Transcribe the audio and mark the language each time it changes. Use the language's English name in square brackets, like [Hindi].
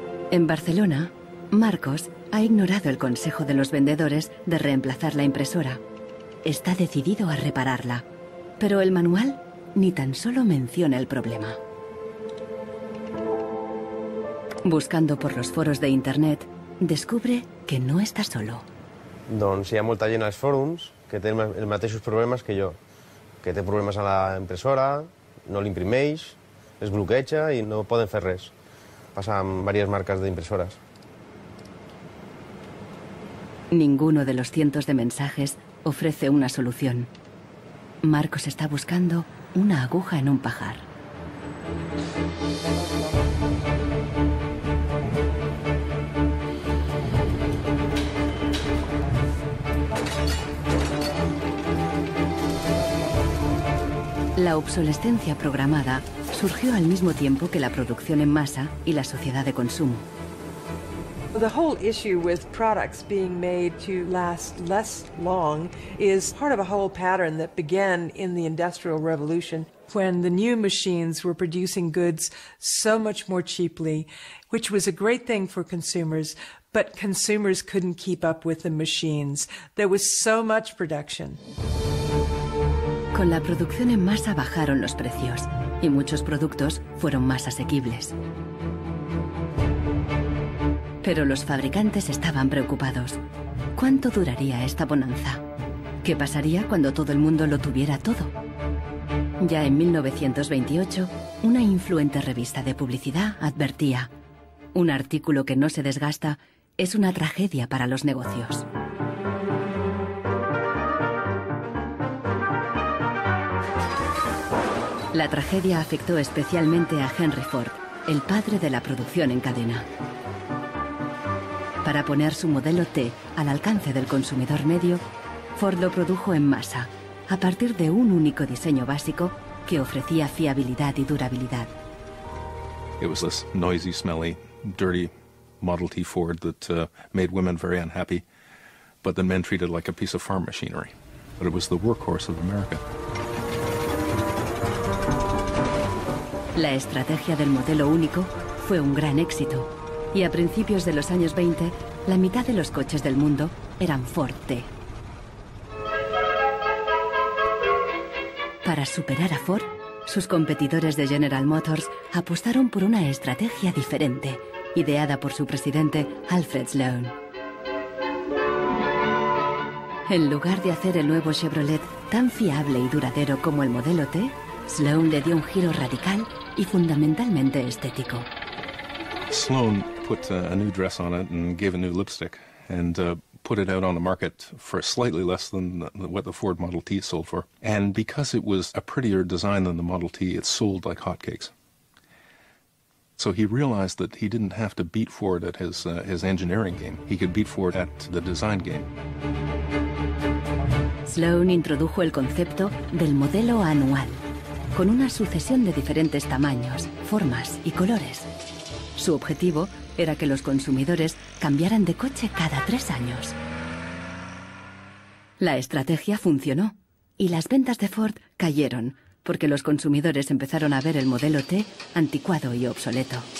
[Spanish] En Barcelona, Marcos ha ignorado el consejo de los vendedores de reemplazar la impresora. Está decidido a repararla, pero el manual ni tan solo menciona el problema. Buscando por los foros de internet, descubre que no está solo. [Catalan] Doncs hi ha molta gent als fòrums que tenen els mateixos problemes que jo, que té problemes a la impressora, no l'imprimeix, es bloqueja i no poden fer res. [Spanish] Pasa en varias marcas de impresoras. Ninguno de los cientos de mensajes ofrece una solución. Marcos está buscando una aguja en un pajar. La obsolescencia programada surgió al mismo tiempo que la producción en masa y la sociedad de consumo. [English] The whole issue with products being made to last less long is part of a whole pattern that began in the Industrial Revolution, when the new machines were producing goods so much more cheaply, which was a great thing for consumers, but consumers couldn't keep up with the machines. There was so much production. [Spanish] Con la producción en masa bajaron los precios y muchos productos fueron más asequibles. Pero los fabricantes estaban preocupados. ¿Cuánto duraría esta bonanza? ¿Qué pasaría cuando todo el mundo lo tuviera todo? Ya en 1928, una influente revista de publicidad advertía: un artículo que no se desgasta es una tragedia para los negocios. La tragedia afectó especialmente a Henry Ford, el padre de la producción en cadena. Para poner su modelo T al alcance del consumidor medio, Ford lo produjo en masa, a partir de un único diseño básico que ofrecía fiabilidad y durabilidad. [English] It was this noisy, smelly, dirty Model T Ford that made women very unhappy, but the men treated like a piece of farm machinery. But it was the workhorse of America. [Spanish] La estrategia del modelo único fue un gran éxito, y a principios de los años 20, la mitad de los coches del mundo eran Ford T. Para superar a Ford, sus competidores de General Motors apostaron por una estrategia diferente, ideada por su presidente Alfred Sloan. En lugar de hacer el nuevo Chevrolet tan fiable y duradero como el modelo T, Sloan le dio un giro radical y fundamentalmente estético. [English] Sloan put a new dress on it and gave a new lipstick and put it out on the market for slightly less than what the Ford Model T sold for. And because it was a prettier design than the Model T, it sold like hotcakes. So he realized that he didn't have to beat Ford at his engineering game. He could beat Ford at the design game. [Spanish] Sloan introdujo el concepto del modelo anual, con una sucesión de diferentes tamaños, formas y colores. Su objetivo era que los consumidores cambiaran de coche cada 3 años. La estrategia funcionó y las ventas de Ford cayeron porque los consumidores empezaron a ver el modelo T anticuado y obsoleto.